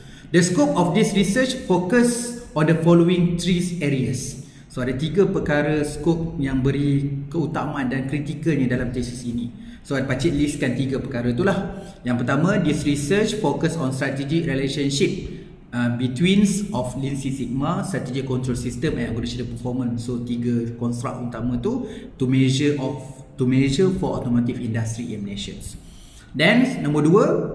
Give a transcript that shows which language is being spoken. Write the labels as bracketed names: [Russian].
[English] The scope of this research focus on the following three areas. [Malay] So ada tiga perkara scope yang beri keutamaan dan kritikalnya dalam thesis ini. So ada pakcik listkan tiga perkara itulah. Yang pertama, [English] this research focus on strategic relationship between of Lean Six Sigma, strategic control system and organizational performance. So [Malay] tiga konstruk utama tu [English] to measure for automotive industry in Malaysia. Then [Malay] nombor dua,